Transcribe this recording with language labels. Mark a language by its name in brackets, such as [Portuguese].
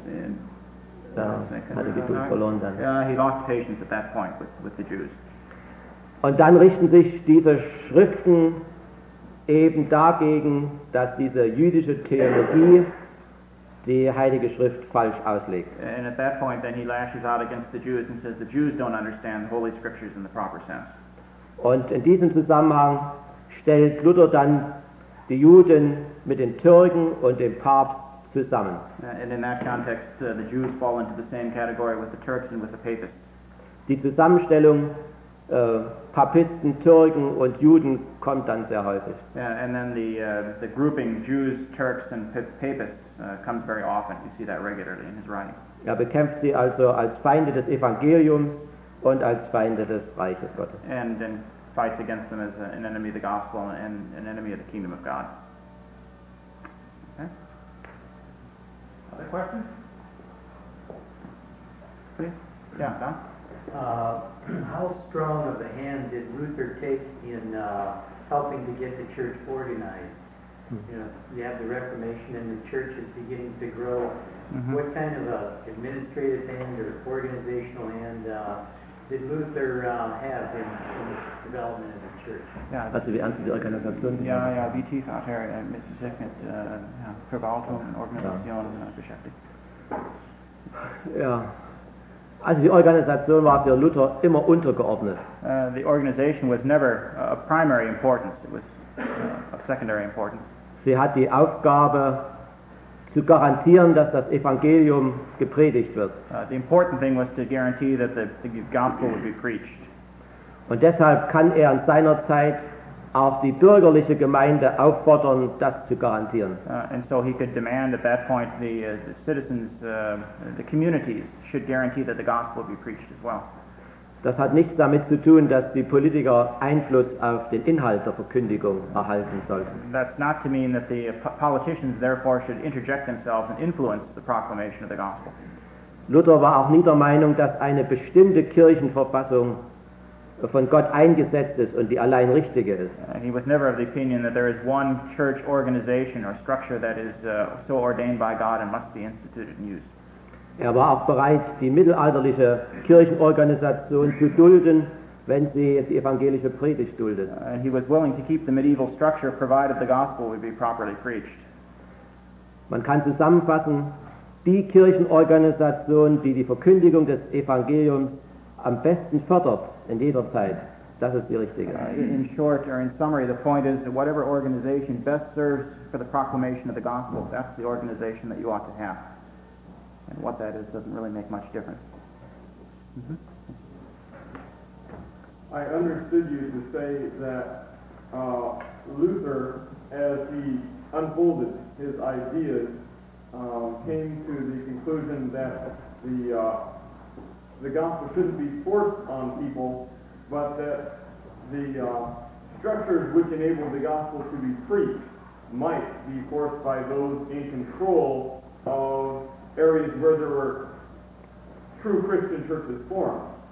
[English] He lost patience at that point with the Jews. [German] Und dann richten sich diese Schriften eben dagegen, dass diese jüdische Theologie die Heilige Schrift falsch auslegt. [English] And at that point, then he lashes out against the Jews and says the Jews don't understand the Holy Scriptures in the proper sense. [German] Und in diesem Zusammenhang stellt Luther dann die Juden mit den Türken und dem Papst zusammen. [English] And in that context, the Jews fall into the same category with the Turks and with the Papists. [German] Die Zusammenstellung Papisten, Türken und Juden kommt dann sehr häufig. [English] Yeah, and then the grouping Jews, Turks and Papists comes very often. You see that regularly in his writing. [German] Er bekämpft sie also als Feinde des Evangeliums und als Feinde des Reiches Gottes. [English] And then fights against them as an enemy of the gospel and an enemy of the kingdom of God. Okay. Other questions? Please. Yeah, Don? How strong of a hand did Luther take in helping to get the church organized? You have the Reformation and the church is beginning to grow. Mm-hmm. What kind of a administrative hand or organizational hand did Luther have in the development of the church? [German] Yeah, also wie ernst die Organisation? Ja, wie tief hat er mit sich mit Verwaltung und Organisation beschäftigt? Ja. Also die Organisation war für Luther immer untergeordnet. [English] The organization was never of primary importance. It was of secondary importance. [German] Sie hat die Aufgabe, zu garantieren, dass das Evangelium gepredigt wird. [English] The important thing was to guarantee that the gospel would be preached. [German] Und deshalb kann in seiner Zeit auch die bürgerliche Gemeinde auffordern, das zu garantieren. [English] And so he could demand at that point the citizens, the communities should guarantee that the gospel would be preached as well. [German] Das hat nichts damit zu tun, dass die Politiker Einfluss auf den Inhalt der Verkündigung erhalten sollten. [English] That's not to mean that the politicians therefore should interject themselves and influence the proclamation of the gospel. [German] Luther war auch nie der Meinung, dass eine bestimmte Kirchenverfassung von Gott eingesetzt ist und die allein richtige ist. [English] He was never of the opinion that there is one church organization or structure that is so ordained by God and must be instituted and used. [German] Er war auch bereit, die mittelalterliche Kirchenorganisation zu dulden, wenn sie die evangelische Predigt duldet. [English] He was willing to keep the medieval structure provided the gospel would be properly preached. [German] Man kann zusammenfassen, die Kirchenorganisation, die Verkündigung des Evangeliums am besten fördert in jeder Zeit, das ist die richtige. [English] In short, or in summary, the point is that whatever organization best serves for the proclamation of the gospel, that's the organization that you ought to have. And what that is doesn't really make much difference. Mm-hmm. I understood you to say that Luther, as he unfolded his ideas, came to the conclusion that the gospel shouldn't be forced on people, but that the structures which enable the gospel to be preached might be forced by those in control of areas where there were true Christian churches formed.